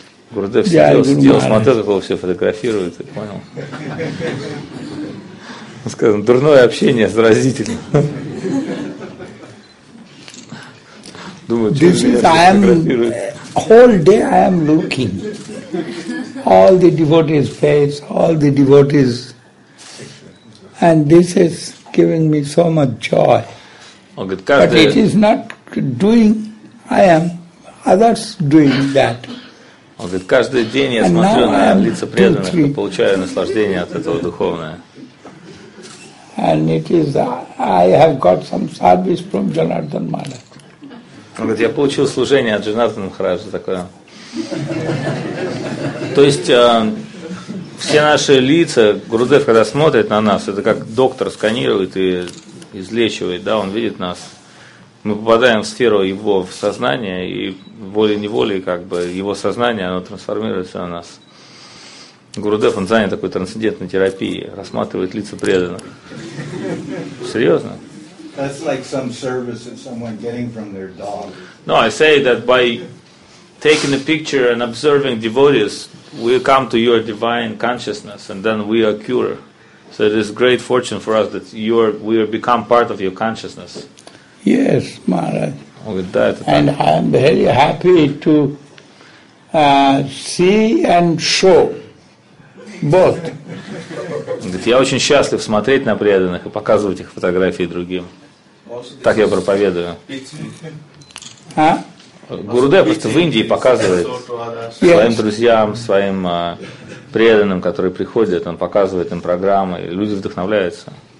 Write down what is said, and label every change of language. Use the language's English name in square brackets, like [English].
[Russian] Гурудев сидел, смотрел, как его все фотографируют, ты понял? Он сказал, дурное общение, заразительно. [English] This is, I am, whole day I am looking. All the devotees' face, all the devotees, and this is giving me so much joy. [Russian] Говорит, каждый... [English] But it is not doing, I am, others doing that. [Russian] Он говорит, каждый день я смотрю на лица преданных и получаю наслаждение от этого духовное. [English] And it is, I have got some service from Janardhan Maharaj. [Russian] Он говорит, я получил служение от Джанардана Махараджа такое. То есть все наши лица, Гурудев, когда смотрит на нас, это как доктор сканирует и излечивает, да, он видит нас. Мы попадаем в сферу его сознания, и волей-неволей, как бы, его сознание, оно трансформируется на нас. Гурудев, он занят такой трансцендентной терапией, рассматривает лица преданных. Серьезно? [English] That's like some service that someone getting from their dog. No, I say that by taking a picture and observing devotees, we come to your divine consciousness, and then we are cured. So it is great fortune for us that you are, we are become part of your consciousness. Yes, Maharaj. With that, and I am very happy to see and show both. [Russian] Говорит, я очень счастлив смотреть на преданных и показывать их фотографии другим. Так я проповедую. Гурудев просто в Индии показывает своим друзьям, своим преданным, которые приходят, он показывает им программы, и люди вдохновляются.